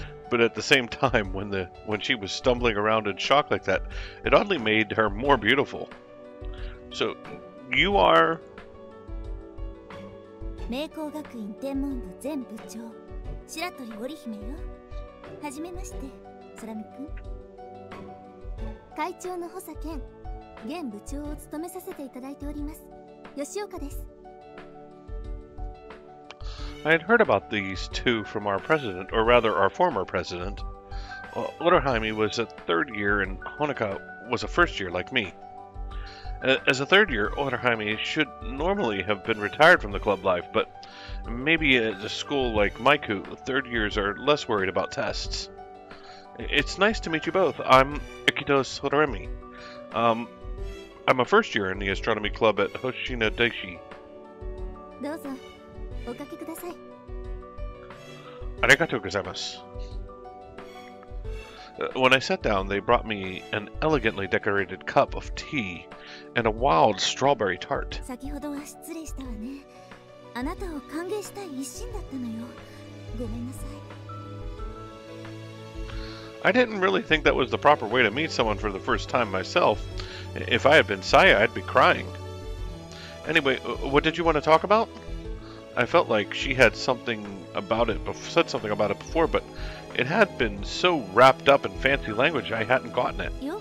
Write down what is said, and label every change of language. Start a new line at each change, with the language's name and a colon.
English: But at the same time, when she was stumbling around in shock like that, it oddly made her more beautiful. So, You are...
Japanese: 名工学院天文部前部長、白鳥織姫よ。はじめまして、空見くん。会長の補佐兼、現部長を務めさせていただいております。吉岡です。
English: I had heard about these two from our president, or rather our former president. Lutterheimi was a third year and Honoka was a first year like me. As a third year, Lutterheimi should normally have been retired from the club life, but maybe at a school like Maiku, third years are less worried about tests. It's nice to meet you both. I'm Akito Sotoremi. I'm a first year in the astronomy club at Hoshino Daishi.
Japanese: Dozo. おかけください。ありがとうございます。
English: When I sat down, they brought me an elegantly decorated cup of tea and a wild strawberry tart.
Japanese: 先ほどは失礼したわね。あなたを歓迎したい一心だったのよ。ごめんなさい。
English: I didn't really think that was the proper way to meet someone for the first time myself. If I had been Saya, I'd be crying. Anyway, what did you want to talk about? I felt like she had something about it, said something about it before, but it had been so wrapped up in fancy language I hadn't gotten it.